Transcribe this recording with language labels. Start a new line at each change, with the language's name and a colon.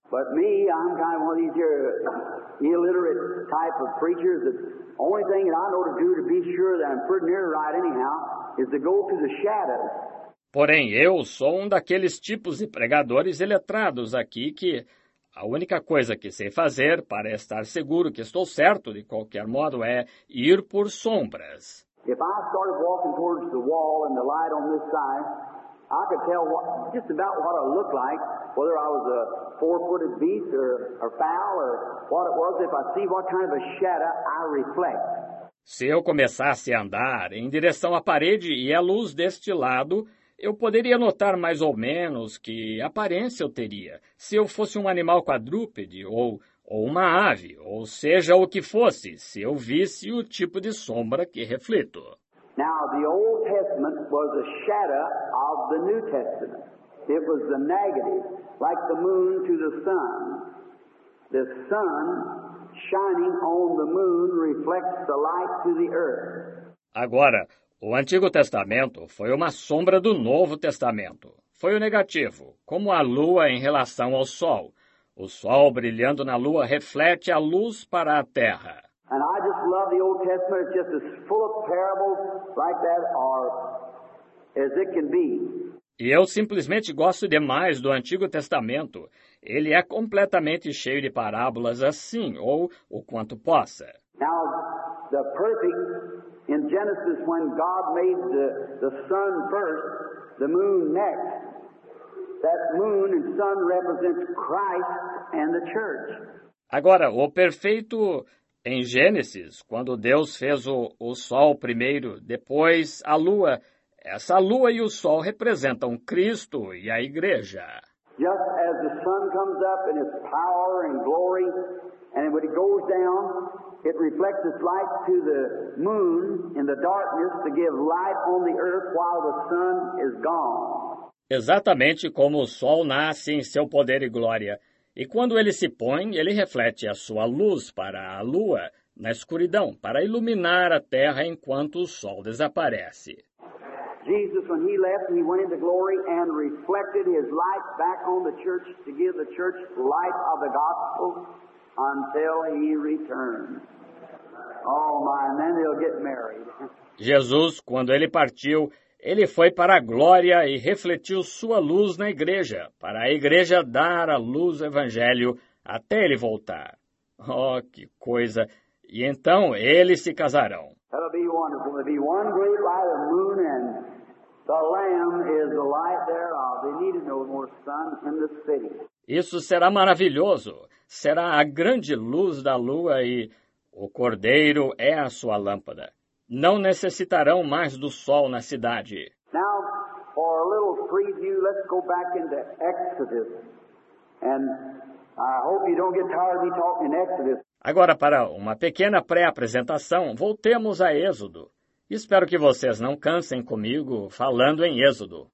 English: But me, I'm kind of one of these here illiterate type of preachers. The only thing that I know to do to be sure that I'm pretty near right anyhow is to go through the shadows.
Portuguese: Porém, eu sou um daqueles tipos de pregadores iletrados aqui que a única coisa que sei fazer para estar seguro que estou certo, de qualquer modo, é ir por sombras.
English: If I started walking towards the wall and the light on this side, I could tell just about what I looked like, whether I was a four-footed beast or fowl or what it was, if I see what kind of a shadow I reflect.
Portuguese: Se eu começasse a andar em direção à parede e à luz deste lado, eu poderia notar mais ou menos que aparência eu teria, se eu fosse um animal quadrúpede ou uma ave, ou seja, o que fosse, se eu visse o tipo de sombra que reflito.
English: Now, the Old Testament was a shadow of the New Testament. It was the negative, like the moon to the sun. The sun shining on the moon reflects the light to the earth.
Portuguese: Agora, o Antigo Testamento foi uma sombra do Novo Testamento. Foi o negativo, como a lua em relação ao sol. O sol brilhando na lua reflete a luz para a terra.
English: And I just love the Old Testament. It's just as full of parables like that or as it can be.
Portuguese: E eu simplesmente gosto demais do Antigo Testamento. Ele é completamente cheio de parábolas assim, ou o quanto possa.
English: Now, the perfect in Genesis, when God made the sun first, the moon next, that moon and sun represents Christ and the church.
Portuguese: Agora, o perfeito em Gênesis, quando Deus fez o sol primeiro, depois a lua, essa lua e o sol representam Cristo e a igreja.
English: Just as the sun comes up in its power and glory, and when it goes down, it reflects its light to the moon in the darkness to give light on the earth while the sun is gone.
Portuguese: Exatamente como o sol nasce em seu poder e glória. E quando ele se põe, ele reflete a sua luz para a lua na escuridão, para iluminar a terra enquanto o sol desaparece.
English: Jesus, when he left, he went into glory and reflected his light back on the church to give the church light of the gospel until he returned. Oh my, and then they'll get married.
Portuguese: Jesus, quando ele partiu, ele foi para a glória e refletiu sua luz na igreja, para a igreja dar a luz ao evangelho até ele voltar. Oh, que coisa! E então eles se casarão.
English: That'll be wonderful. There'll be one great light of moon and the Lamb is the light thereof. They needed no more sun in the city.
Portuguese: Isso será maravilhoso. Será a grande luz da lua e o Cordeiro é a sua lâmpada. Não necessitarão mais do sol na cidade.
English: Now, for a little preview, let's go back into Exodus. And I hope you don't get tired of me talking Exodus.
Portuguese: Agora, para uma pequena pré-apresentação, voltemos a Êxodo. Espero que vocês não cansem comigo falando em Êxodo.